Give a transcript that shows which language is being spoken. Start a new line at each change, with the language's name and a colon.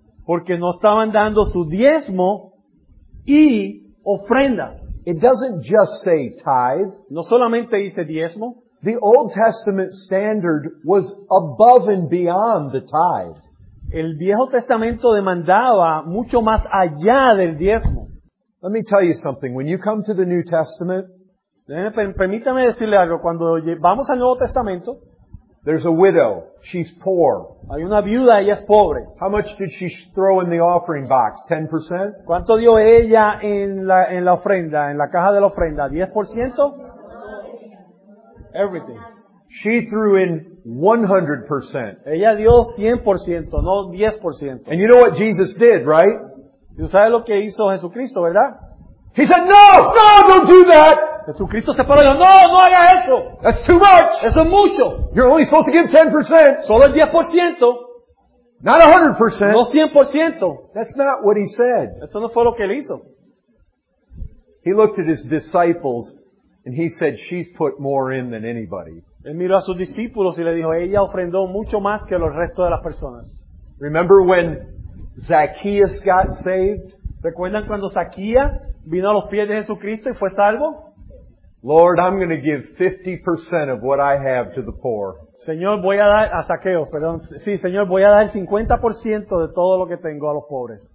Spanish: Porque no estaban dando su diezmo y ofrendas.
English: It doesn't just say tithe.
Spanish: No solamente dice diezmo.
English: The Old Testament standard was above and beyond the tithe.
Spanish: El Viejo Testamento demandaba mucho más allá del diezmo.
English: Let me tell you something. When you come to the New Testament,
Spanish: permítame decirle algo. Cuando vamos al Nuevo Testamento,
English: there's a widow. She's poor.
Spanish: Hay una viuda, ella es pobre.
English: How much did she throw in the offering box? 10%?
Spanish: ¿Cuánto dio ella en la ofrenda, en la caja de la ofrenda?
English: 10%? Everything. She threw in 100%.
Spanish: Ella dio 100%, no 10%.
English: And you know what Jesus did, right?
Spanish: ¿Y sabes lo que hizo Jesucristo, verdad?
English: He said, no, no, don't do that.
Spanish: Jesucristo se paró y dijo, no, no haga eso.
English: That's too much.
Spanish: Eso es mucho.
English: You're only supposed to give 10%.
Spanish: Solo el 10%.
English: Not 100%.
Spanish: No 100%.
English: That's not what he said.
Spanish: Eso no fue lo que él hizo.
English: He looked at his disciples and he said, she's put more in than anybody.
Spanish: Él miró a sus discípulos y le dijo, ella ofrendó mucho más que los restos de las personas.
English: Remember when Zacchaeus got saved?
Spanish: ¿Recuerdan cuando Zacchaeus vino a los pies de Jesucristo y fue salvo?
English: Lord, I'm going to give 50% of what I have to the poor.
Spanish: Señor, voy a dar a Zacchaeus, perdón. Sí, Señor, voy a dar el 50% de todo lo que tengo a los pobres.